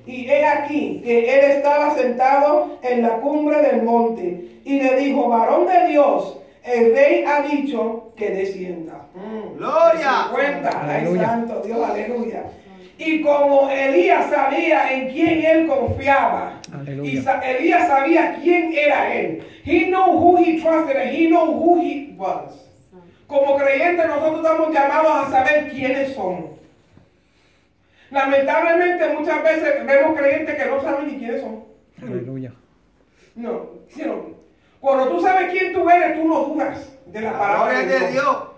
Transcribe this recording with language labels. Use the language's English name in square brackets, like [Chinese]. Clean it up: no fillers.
[Spanish] Y he aquí que él estaba sentado en la cumbre del monte. Y le dijo, varón de Dios, el rey ha dicho que descienda. ¡Gloria! 50, ¡ay, santo Dios, aleluya! Y como Elías sabía en quién él confiaba, aleluya. Y Elías sabía quién era él. [English] He knew who he trusted and he knew who he was. [Spanish] Como creyentes nosotros estamos llamados a saber quiénes somos. Lamentablemente muchas veces vemos creyentes que no saben ni quiénes son. Aleluya. No, sino Cuando tú sabes quién tú eres, tú no dudas de la palabra de Dios.